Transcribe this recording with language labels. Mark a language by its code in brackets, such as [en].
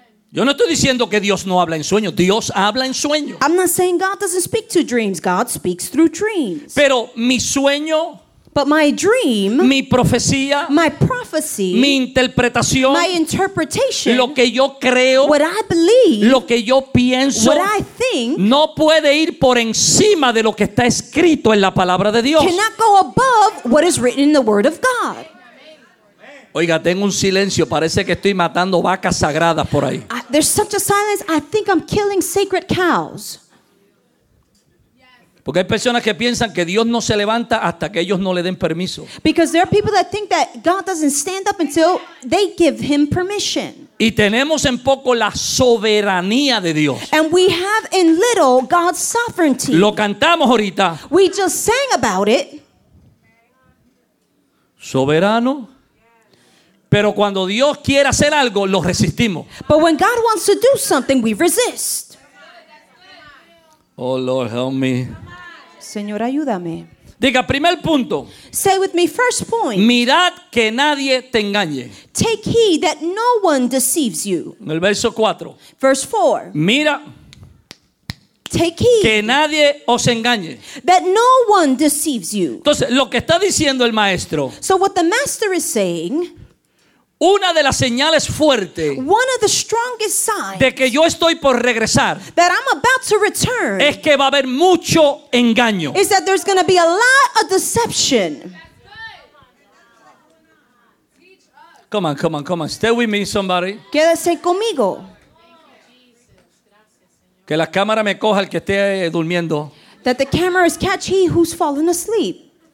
[es] Yo no estoy diciendo que Dios no habla en sueños. Dios habla en sueños. [en] I'm not saying God doesn't speak to dreams. God speaks through dreams. [es] Pero mi sueño, [en] but my dream, [es] mi profecía, [en] my prophecy, [es] mi interpretación, [en] my interpretation, [es] lo que yo creo, [en] what I believe, [es] lo que yo pienso, [en] what I think, [es] no puede ir por encima de lo que está escrito en la palabra de Dios. [en] Cannot go above what is written in the word of God. [es] Oiga, tengo un silencio, parece que estoy matando vacas sagradas por ahí. [en] There's such a silence, I think I'm killing sacred cows. [es] Porque hay personas que piensan que Dios no se levanta hasta que ellos no le den permiso. [en] Because there are people that think that God doesn't stand up until they give him permission. [es] Y tenemos en poco la soberanía de Dios. [en] And we have in little God's sovereignty. [es] Lo cantamos ahorita. [en] We just sang about it. [es] Soberano. Pero cuando Dios quiere hacer algo, lo resistimos. [en] But when God wants to do something, we resist. Oh Lord, help me. [es] Señor, ayúdame. Diga, primer punto. [en] Say with me, first point. [es] Mirad que nadie te engañe. [en] Take heed that no one deceives you. [es] En el verso 4. [en] Verse 4. [es] Mira. [en] Take heed. [es] Que nadie os engañe. [en] That no one deceives you. [es] Entonces, lo que está diciendo el maestro. [en] So what the master is saying. [es] Una de las señales fuertes. [en] One of the strongest signs. [es] De que yo estoy por regresar. [en] That I'm about to return. [es] Es que va a haber mucho engaño. [en] Is that there's going to be a lot of deception. Come on, come on, come on. Stay with me, somebody. [es] Quédese conmigo. Que la cámara me coja el que esté durmiendo. [en] That the cameras catch he who's fallen asleep.